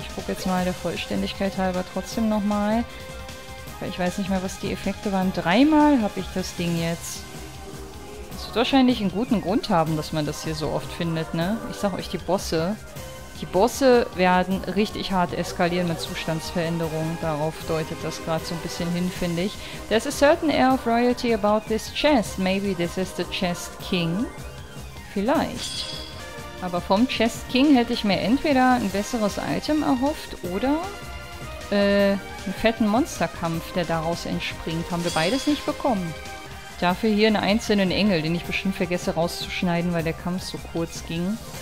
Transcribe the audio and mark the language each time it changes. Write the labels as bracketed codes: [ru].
[de] Ich gucke jetzt mal der Vollständigkeit halber trotzdem nochmal. Ich weiß nicht mehr, was die Effekte waren. Dreimal habe ich das Ding jetzt. Das wird wahrscheinlich einen guten Grund haben, dass man das hier so oft findet, ne? Ich sag euch, die Bosse. Die Bosse werden richtig hart eskalieren mit Zustandsveränderungen. Darauf deutet das gerade so ein bisschen hin, finde ich. [en] There's a certain air of royalty about this chest. Maybe this is the Chest King. [de] Vielleicht. Aber vom Chest King hätte ich mir entweder ein besseres Item erhofft oder einen fetten Monsterkampf, der daraus entspringt. Haben wir beides nicht bekommen. Dafür hier einen einzelnen Engel, den ich bestimmt vergesse rauszuschneiden, weil der Kampf so kurz ging.